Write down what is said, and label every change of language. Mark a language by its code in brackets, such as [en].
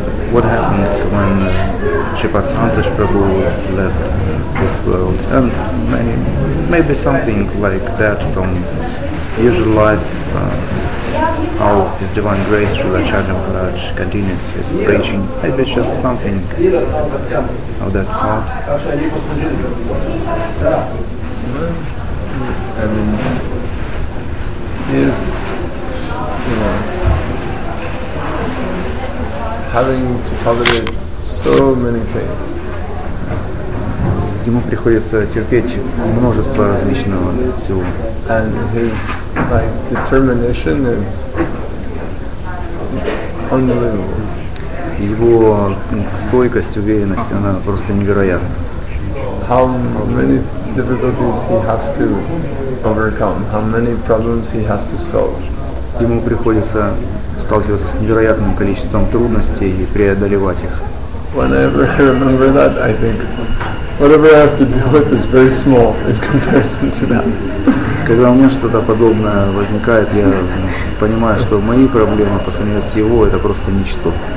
[en] what happened when Shripad Santosh Prabhu left this world, and maybe something like that from usual life, how His Divine Grace Shilacharya Maharaj continues His preaching, maybe just something of that sort. I mean, he is, you know, having to tolerate so many things. [ru] Ему приходится терпеть множество различного всего. [en] And his like determination is unbelievable. [ru] Его стойкость, уверенность, она просто невероятна. [en] How many difficulties he has to overcome, how many problems he has to solve. [ru] Ему приходится сталкиваться с невероятным количеством трудностей и преодолевать их. [en] Whenever I remember that, I think whatever I have to deal with is very small in comparison to that. [ru] Когда у меня что-то подобное возникает, я понимаю, что мои проблемы по сравнению с его это просто ничто.